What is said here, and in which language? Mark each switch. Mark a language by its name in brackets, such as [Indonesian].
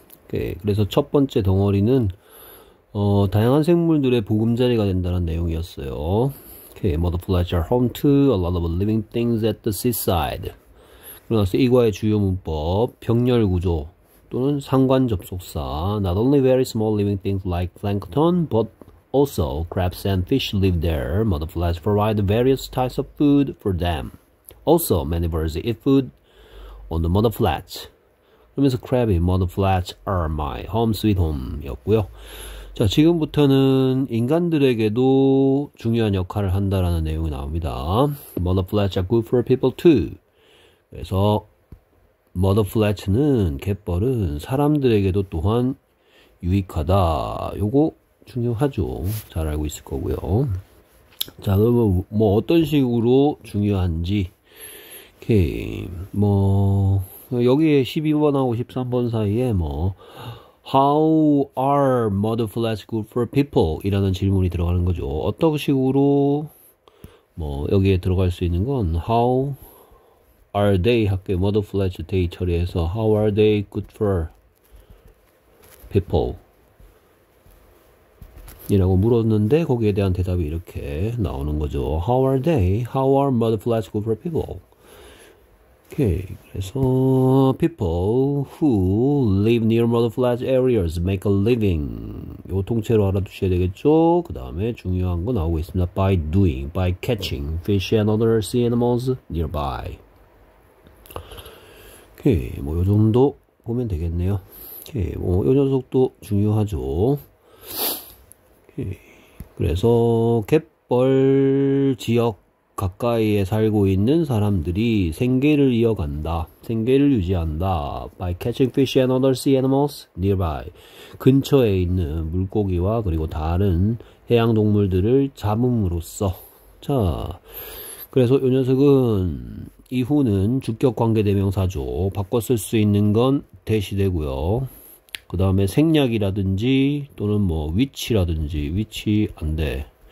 [Korean] 오케이, 그래서 첫 번째 덩어리는 다양한 생물들의 보금자리가 된다는 내용이었어요. [English] 오케이, mudflats are home to a lot of living things at the seaside. [Korean] 그러고 나서 이과의 주요 문법, 병렬 구조. 또는 상관 접속사. [English] Not only very small living things like plankton, but also crabs and fish live there. Mudflats provide various types of food for them. Also, many birds eat food on the mudflats. [Korean] 그러면서 [English] crab이 mudflats are my home sweet home [Korean] 였고요. 자, 지금부터는 인간들에게도 중요한 역할을 한다라는 내용이 나옵니다. [English] Mudflats are good for people too. [Korean] 그래서 머더플래츠는 갯벌은 사람들에게도 또한 유익하다. 요거 중요하죠. 잘 알고 있을 거고요. 자, 그러면 뭐 어떤 식으로 중요한지. 오케이. 뭐 여기에 12번하고 13번 사이에 뭐 [English] How are mudflats good for people? [Korean] 이라는 질문이 들어가는 거죠. 어떤 식으로 뭐 여기에 들어갈 수 있는 건 [English] How Are they, [Korean] 학교에 [English] mudflats day [Korean] 처리해서 [English] How are they good for people? [Korean] 이라고 물었는데 거기에 대한 대답이 이렇게 나오는 거죠. [English] How are they? How are mudflats good for people? 오케이, [Korean] 그래서 [English] people who live near mudflats areas make a living. [Korean] 요 통째로 알아두셔야 되겠죠? 그 다음에 중요한 거 나오고 있습니다. [English] By doing, by catching fish and other sea animals nearby. [Korean] 오케이, 뭐, 요 정도 보면 되겠네요. 오케이, 뭐, 요 녀석도 중요하죠. 오케이. 그래서, 갯벌 지역 가까이에 살고 있는 사람들이 생계를 이어간다. 생계를 유지한다. By catching fish and other sea animals nearby. 근처에 있는 물고기와 그리고 다른 해양 동물들을 잡음으로써. 자, 그래서 요 녀석은, 이후는 주격 관계 대명사죠. 바꿔 쓸수 있는 건 대시 되고요. 그 다음에 생략이라든지 또는 뭐 위치라든지 위치 안 돼.